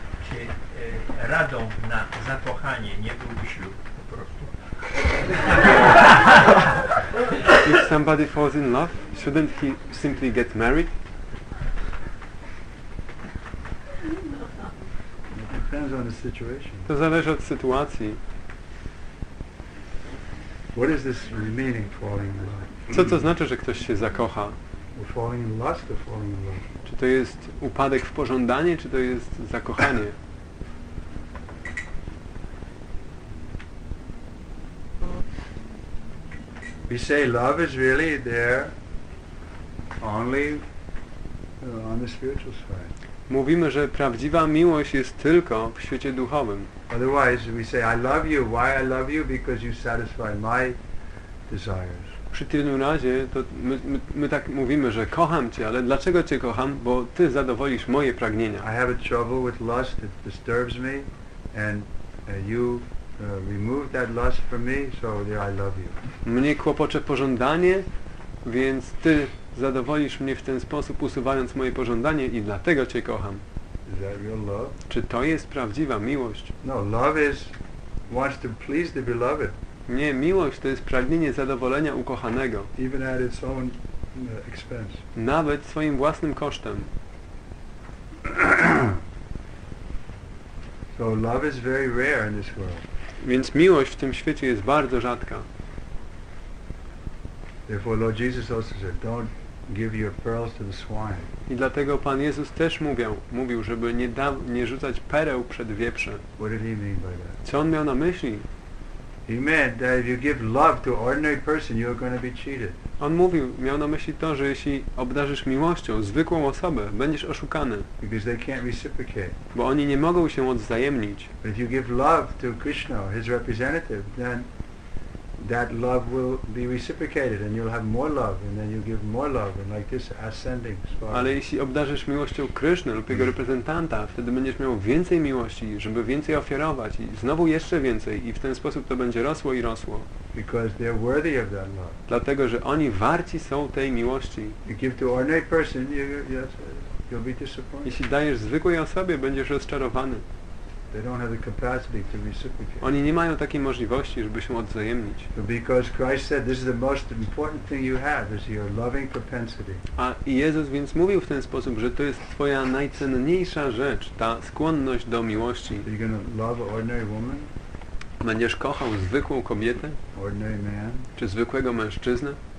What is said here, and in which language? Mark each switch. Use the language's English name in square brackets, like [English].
[Polish] Czy radą na zakochanie nie byłby ślub? [English] If somebody falls in love, shouldn't he simply get married? It depends on the situation. [Polish] To zależy od sytuacji. [English] What is this meaning, falling in love? [Polish] Co to znaczy, że ktoś się zakocha? [English] Falling in lust or falling in love? [Polish] Czy to jest upadek w pożądanie, czy to jest zakochanie? [English] We say love is really there only on the spiritual side. [Polish] Mówimy, że prawdziwa miłość jest tylko w świecie duchowym. [English] Otherwise we say I love you. Why I love you? Because you satisfy my desires. [Polish] Przy tym razie to my tak mówimy, że kocham cię, ale dlaczego cię kocham? Bo ty zadowolisz moje pragnienia. [English] I have a trouble with lust. It disturbs me and you remove that lust from me, so yeah, I love you. [Polish] Mnie kłopocze pożądanie, więc ty zadowolisz mnie w ten sposób, usuwając moje pożądanie i dlatego cię kocham. [English] Is that real love? [Polish] Czy to jest prawdziwa miłość? [English] No, love is wants to please the beloved. [Polish] Nie, miłość to jest pragnienie zadowolenia ukochanego. [English] Even at its own expense. [Polish] Nawet swoim własnym kosztem. [English] So love is very rare in this world. [Polish] Więc miłość w tym świecie jest bardzo rzadka. [English] Therefore Lord Jesus also said, don't give your pearls to the swine. [Polish] I dlatego Pan Jezus też mówił, żeby nie rzucać pereł przed wieprze. [English] What did he mean by that? [Polish] Co on miał na myśli? [English] He meant that if you give love to ordinary person, you're going to be cheated. [Polish] On mówił, miał na myśli to, że jeśli obdarzysz miłością zwykłą osobę, będziesz oszukany. [English] Because they can't reciprocate. [Polish] Bo oni nie mogą się odwzajemnić. [English] If you give love to Krishna, his representative, then that love will be reciprocated and you'll have more love and then you give more love and like this ascending spiral. [Polish] Ale jeśli obdarzysz miłością Krishna lub jego reprezentanta, wtedy będziesz miał więcej miłości, żeby więcej ofiarować i znowu jeszcze więcej i w ten sposób to będzie rosło i rosło. [English] Because they're worthy of that love. [Polish] Dlatego, że oni warci są tej miłości. [English] You give to ordinary person, you'll be disappointed. [Polish] Jeśli dajesz zwykłej osobie, będziesz rozczarowany. [English] They don't have the capacity to reciprocate. [Polish] Oni nie mają takiej możliwości, żeby się odwzajemnić. [English] Because Christ said this is the most important thing you have is your loving propensity. [Polish] A Jezus więc mówił w ten sposób, że to jest twoja najcenniejsza rzecz, ta skłonność do miłości. [English] Are you gonna love an ordinary woman? [Polish] Będziesz kochał zwykłą kobietę? [English] Ordinary man? [Polish] Czy zwykłego mężczyznę?